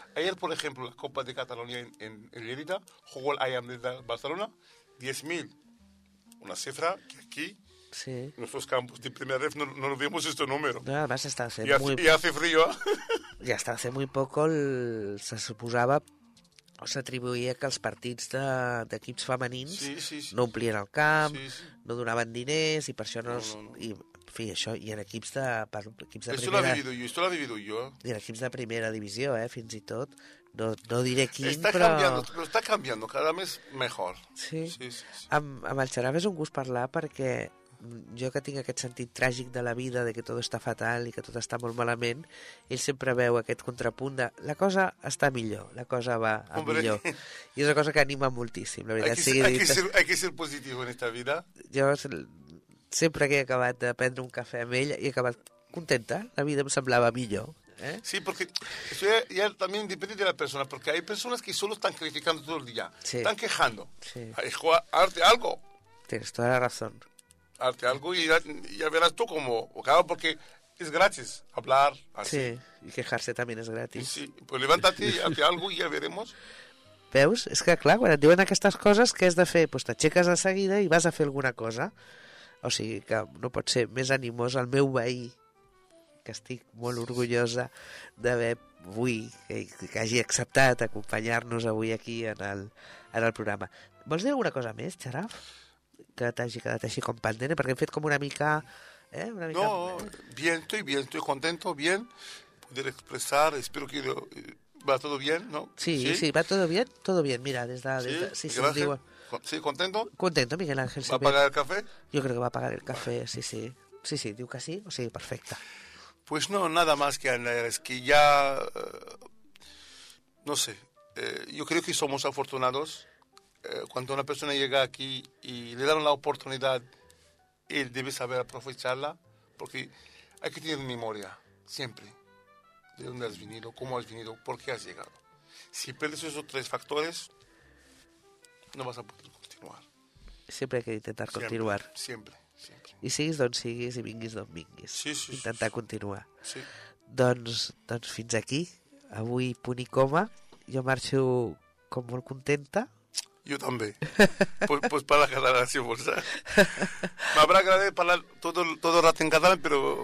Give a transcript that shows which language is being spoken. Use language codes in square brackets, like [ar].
[es] Ayer, por ejemplo, la Copa de Cataluña en Lleida, jugó el IAM de Barcelona, 10.000. Una cifra que aquí, sí, en nuestros campos de primera vez, no nos vimos este número. No, además está hace y muy... Y hace frío. Ya hasta hace muy poco se suposava... [ca] O s'atribuïa que els partits d'equips femenins no omplien el camp, no donaven diners i per això no. I, en fi, això, i en equips de, per, equips de primera... Això l'ha dividit jo. I en equips de primera divisió, fins i tot. No diré quin, [es] está [ca] però... Està canviant, cada mes mejor. Sí? Amb el Xarab és un gust parlar perquè jo que tinc aquest sentit tràgic de la vida, de que tot està fatal i que tot està molt malament, ell sempre veu aquest contrapunt de la cosa està millor, la cosa va a millor. I és una cosa que anima moltíssim, la veritat. [es] Hay que ser positiu en esta vida. [ca] Jo sempre que he acabat de prendre un cafè amb ell i he acabat contenta, la vida em semblava millor. [es] Sí, porque eso ya también depende de la persona, porque hay personas que solo están criticando todo el día, están quejando. Sí. Arte algo. Tienes toda la razón. Arte algo y ya verás tú cómo, claro, porque es gratis hablar así. Sí, y quejarse también es gratis. Sí, pues levántate y hazte algo y ya veremos. [ca] ¿Veus? [es] Es que, claro, cuando te dicen estas cosas, ¿qué has de hacer? Pues te aixeques de seguida y vas a hacer alguna cosa. [ca] O sea, que no puede ser más animoso el meu veí, que estic molt orgullosa d'haver avui, que hagi acceptat acompanyar-nos avui aquí en el programa. Vols dir alguna cosa més, Xaraf? Que t'hagi quedat així com pendent, perquè hem fet com una mica... Una mica... [es] No, bien, estoy contento, bien, poder expresar, espero que va todo bien, ¿no? Sí, va todo bien, mira, desde sí, sí, gracias. Digo... Sí, contento. Contento, Miguel Ángel. ¿Va a pagar el café? Yo creo que va a pagar el café, vale. [ca] Sí. Sí, diu que sí, o sigui, perfecta. [es] Pues no, nada más que añadir, es que ya, no sé, yo creo que somos afortunados. Cuando una persona llega aquí y le dan la oportunidad, él debe saber aprovecharla, porque hay que tener memoria, siempre. ¿De dónde has venido? ¿Cómo has venido? ¿Por qué has llegado? Si pierdes esos tres factores, no vas a poder continuar. Siempre hay que intentar continuar. Siempre. [ca] I siguis d'on siguis i vinguis d'on vinguis. Sí. Intentar continuar. Sí. Doncs fins aquí. Avui punt i coma. Jo marxo com molt contenta. Jo també. [es] pues para la catalana, si vols. [ca] M'habrà agradat parlar tot el rato en català, però...